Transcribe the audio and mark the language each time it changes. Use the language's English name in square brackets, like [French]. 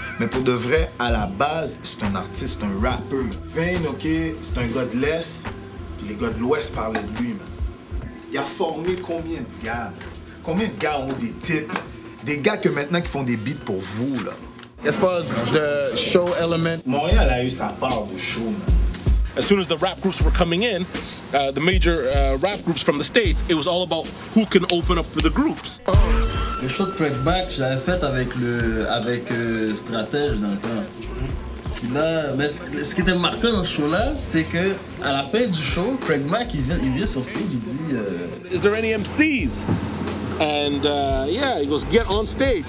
[French] Mais pour de vrai, à la base, c'est un artiste, un rapper. Vane, OK, c'est un gars de l'Est. Les gars de l'Ouest parlaient de lui, man. Il a formé combien de gars, man? Combien de gars ont des types? Des gars que maintenant qui font des beats pour vous, là. [English] As far as the show element, [French] Montréal a eu sa part de show, man. [English] As soon as the rap groups were coming in, the major rap groups from the States, it was all about who can open up for the groups. [French] Le show de Prequel, j'avais fait avec Stratège dans le temps. Puis là, mais ce qui était marquant dans ce show-là, c'est que à la fin du show, Craig Mack, il vient sur stage, il dit... [English] Is there any MCs? And yeah, he goes, get on stage.